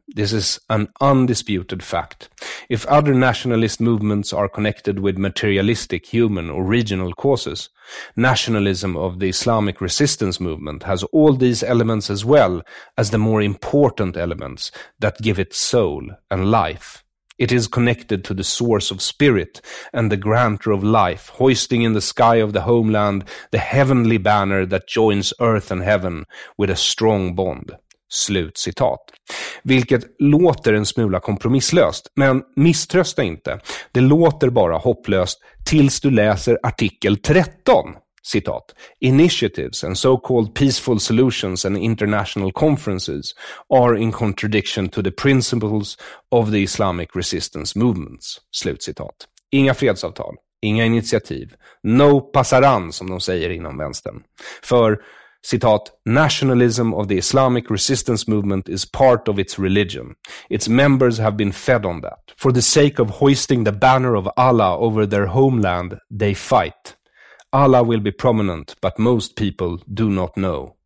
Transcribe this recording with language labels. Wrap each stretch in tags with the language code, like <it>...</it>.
<en>This is an undisputed fact. If other nationalist movements are connected with materialistic, human, or regional causes, nationalism of the Islamic resistance movement has all these elements as well as the more important elements that give it soul and life. It is connected to the source of spirit and the grantor of life, hoisting in the sky of the homeland the heavenly banner that joins earth and heaven with a strong bond.</en> <sv>Slut citat. Vilket låter en smula kompromisslöst, men misströsta inte. Det låter bara hopplöst tills du läser artikel 13. Citat,</sv> <en>initiatives and so-called peaceful solutions and international conferences are in contradiction to the principles of the Islamic resistance movements.</en> <sv>Slut citat. Inga fredsavtal, inga initiativ,</sv> <es>no pasaran</es> <sv>som de säger inom vänstern. För, citat,</sv> <en>nationalism of the Islamic resistance movement is part of its religion. Its members have been fed on that. For the sake of hoisting the banner of Allah over their homeland, they fight. Allah will be prominent, but most people do not know.</en>